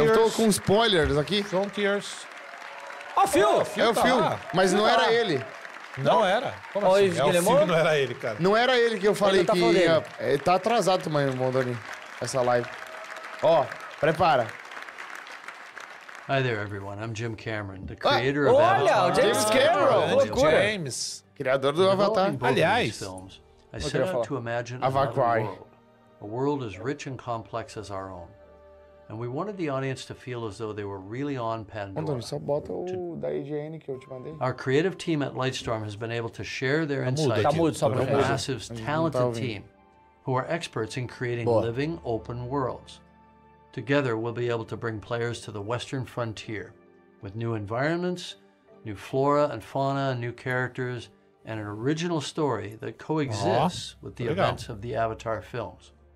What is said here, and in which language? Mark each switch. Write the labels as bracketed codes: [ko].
[pt] Aí. Eu tô com spoilers aqui. [en] Frontiers. [pt] Ó, o filme! É o filme. Tá mas não era ele. Não era. Como Oi, assim? Guilherme. É o filme, não era ele, cara. Não era ele que eu falei tá que ia... Tá atrasado também, Mondoni, essa live. Ó, prepara. [en] Hi there, everyone. I'm Jim Cameron, the creator of [pt] olha, [en] Avatar. [pt] Olha, o James Cameron! Loucura! James! Criador do Avatar. Aliás... [en] I set out to imagine another world, a world as rich and complex as our own. And we wanted the audience to feel as though they were really on Pandora. [pt] Antônio, só bota o da IGN que eu te mandei. [en] Our creative team at Lightstorm has been able to share their insights with a massive, talented team who are experts in creating living, open worlds. Together, we'll be able to bring players to the Western frontier with new environments, new flora and fauna, new characters, and an original story that coexists with the events of the Avatar films.